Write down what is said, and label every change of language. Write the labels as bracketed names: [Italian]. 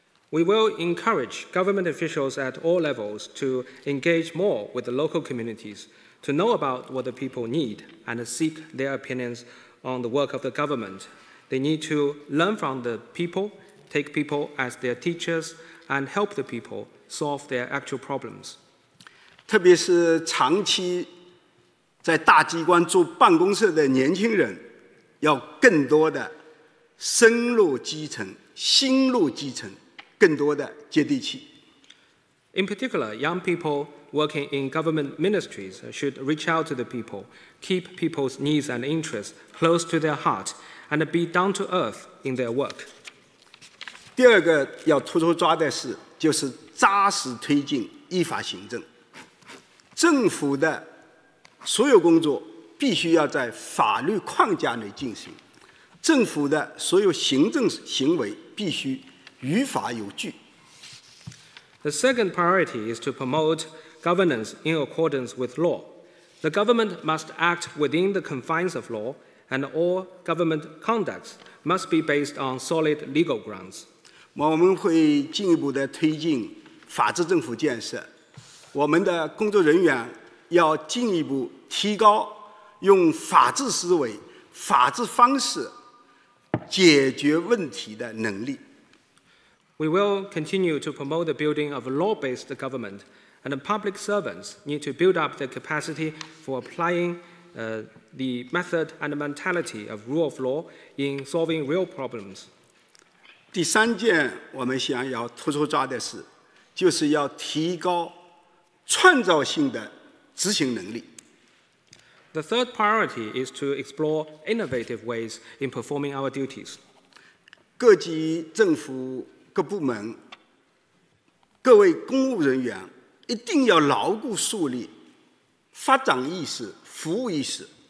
[English] We will encourage government officials at all levels to engage more with the local communities, to know about what the people need and seek their opinions on the work of the government. They need to learn from the people, take people as their teachers, and help the people solve their actual problems. [Chinese] 特别是长期在大机关做办公室的年轻人，要更多的深入基层，心入基层，更多的接地气。 [English] In particular, young people working in government ministries should reach out to the people, keep people's needs and interests close to their heart, and be down to earth in their work. [Chinese] 第二个要突出抓的是，就是扎实推进依法行政。政府的所有工作必须要在法律框架内进行，政府的所有行政行为必须于法有据。 [English] The second priority is to promote governance in accordance with law. The government must act within the confines of law, and all government conducts must be based on solid legal grounds. [Chinese] 我们会进一步的推进法治政府建设，我们的工作人员要进一步提高用法治思维、法治方式解决问题的能力。 [English] We will continue to promote the building of a law-based government, and the public servants need to build up the capacity for applying the method and the mentality of rule of law in solving real problems. [Chinese] 第三件我们想要突出抓的是，就是要提高创造性的执行能力。 [English] The third priority is to explore innovative ways in performing our duties. [Chinese] 各级政府各部门、各位公务人员一定要牢固树立发展意识、服务意识。